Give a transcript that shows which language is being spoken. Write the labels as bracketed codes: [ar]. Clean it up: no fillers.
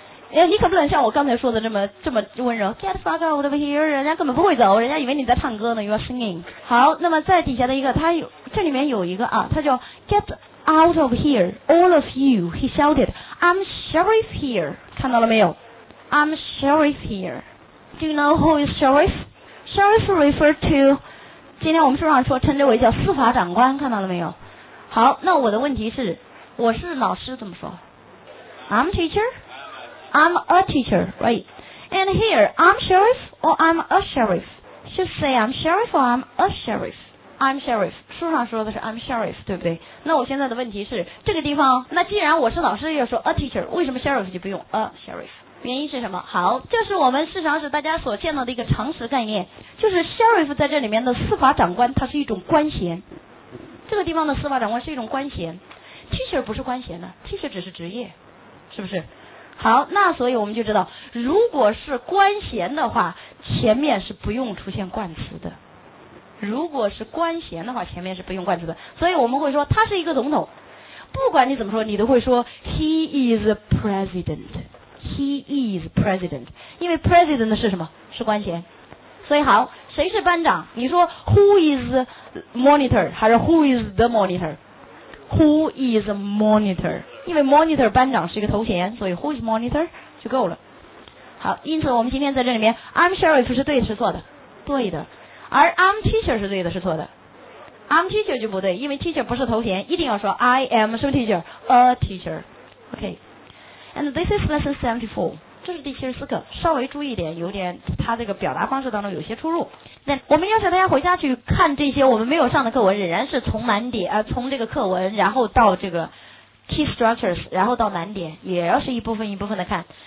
[zh] 你可不能像我刚才说的这么温柔 [en] get fuck out of here， [zh] 人家根本不会走，人家以为你在唱歌呢， [en] you are singing。 [zh] 好，那么在底下的一个他有这里面有一个啊，他叫 [en] get out of here all of you， he shouted I'm sheriff here， [zh] 看到了没有？ [en] I'm sheriff here， do you know who is sheriff？ Sheriff refer to [zh] 今天我们书上说称之为叫司法长官，看到了没有？好，那我的问题是我是老师怎么说？ [en] I'm teacher， I'm a teacher， right？ And here I'm sheriff or I'm a sheriff， should say I'm sheriff or I'm a sheriffI'm sheriff， [zh] 书上说的是 [en] I'm sheriff， [zh] 对不对？那我现在的问题是这个地方，那既然我是老师要说 [en] a teacher， [zh] 为什么 sheriff 就不用 [en] a sheriff？ [zh] 原因是什么？好，这是我们事实上是大家所见到的一个常识概念，就是 sheriff 在这里面的司法长官它是一种官衔，这个地方的司法长官是一种官衔， teacher 不是官衔的， teacher 只是职业，是不是？好，那所以我们就知道如果是官衔的话前面是不用出现冠词的，如果是官衔的话前面是不用冠词的，所以我们会说他是一个总统，不管你怎么说你都会说 [en] he is a president， he is president， [zh] 因为 president 是什么？是官衔。所以好，谁是班长？你说 [en] who is the monitor [zh] 还是 who is the monitor？ [en] who is the monitor， [zh] 因为 monitor 班长是一个头衔，所以 [en] who is monitor [zh] 就够了。好，因此我们今天在这里面 [en] I'm sheriff [zh] 是对是错的？对的。而 [en] I'm teacher [zh] 是对的是错的？ [en] I'm teacher [zh] 就不对，因为 teacher 不是头衔，一定要说 I am 什么 teacher， [en] a teacher。 OK， and this is lesson 74， [zh] 这是第74课，稍微注意一点，有点他这个表达方式当中有些出入。那我们要求大家回家去看这些我们没有上的课文，仍然是从难点从这个课文然后到这个 key structures 然后到难点，也要是一部分一部分的看。